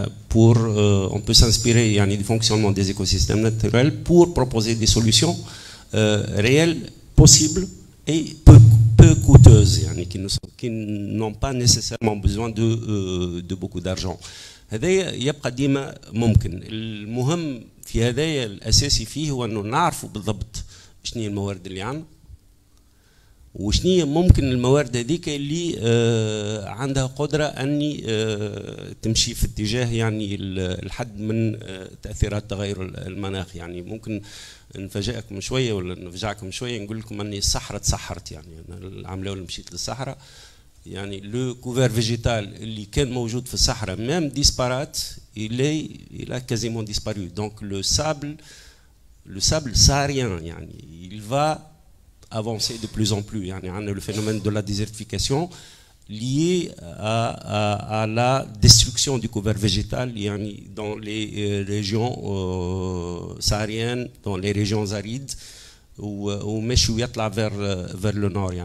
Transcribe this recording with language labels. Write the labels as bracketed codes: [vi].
[fr] Pour, on peut s'inspirer يعني du fonctionnement des écosystèmes naturels pour proposer des solutions réelles, possibles et peu coûteuses, يعني qui n'ont pas nécessairement besoin de beaucoup d'argent. [ar] هذايا يبقى ديما ممكن. المهم في هذايا الأساسي فيه هو إنه نعرف بالضبط شنية الموارد اللي عندنا وشنية ممكن الموارد هذيك اللي عندها قدرة أني تمشي في اتجاه يعني الحد من تأثيرات تغير المناخ. يعني ممكن نفاجئكم شوية ولا نفجعكم شوية نقول لكم أني الصحراء تسحرت. يعني أنا العملية اللي مشيت للصحراء يعني [fr] لو كوفير فيجيتال [ar] اللي كان موجود في الصحراء [fr] مام ديسبارات إلا كازيمون ديسباريو. دونك لو سابل ساريان يعني il va avancer de plus en plus. يعني عندنا le phénomène de la désertification lié à la destruction du couvert végétal يعني dans les régions sahariennes, dans les régions arides ou [ar] مش يطلع [fr] vers le nord.